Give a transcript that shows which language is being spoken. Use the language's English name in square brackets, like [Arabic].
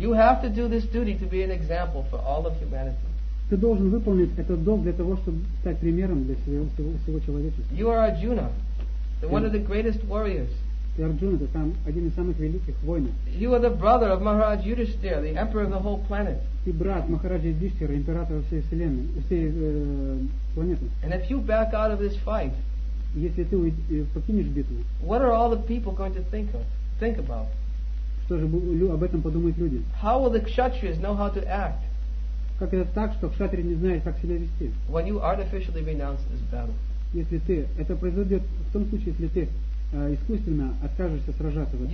[English] You have to do this duty to be an example for all of humanity. [Russian] Ты должен выполнить этот долг для того, чтобы стать примером для всего человечества. [English] You are Arjuna, one of the greatest warriors. [Russian] Ты Арджуна, ты сам один из самых великих воинов. [English] You are the brother of Maharaj Yudhishthira, the emperor of the whole planet. [Russian] Ты брат Махараджа Юдхиштхира, императора всей вселенной, всей планеты. [English] And if you back out of this fight, [Russian] если ты покинешь битву, [English] what are all the people going to think about? [Russian] Что же об этом подумают люди? [English] How will the kshatriyas know how to act? [Russian] Как это так, что кшатри не знают, как себя вести? [English] When you artificially renounce this battle. [Russian] Если ты, это произойдет в том случае, если ты искусственно откажешься сражаться в этом.